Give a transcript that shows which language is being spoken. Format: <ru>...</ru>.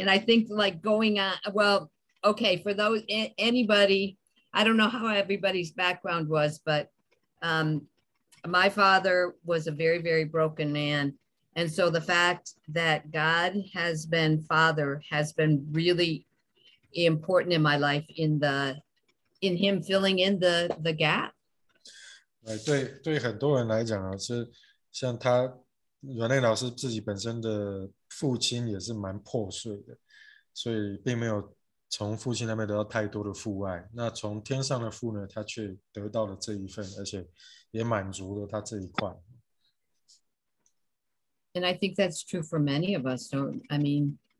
<en>And I think like going on, well, okay, for those, anybody, I don't know how everybody's background was, but my father was a very, very broken man. And so the fact that God has been father has been really important in my life in him filling in the gap.</en> <zh>对很多人来讲啊，是像他 Renee 老师自己本身的父亲也是蛮破碎的，所以并没有从父亲那边得到太多的父爱。那从天上的父呢，他却得到了这一份，而且也满足了他这一块。</zh> <en>And I think that's true for many of us, don't I mean?</en>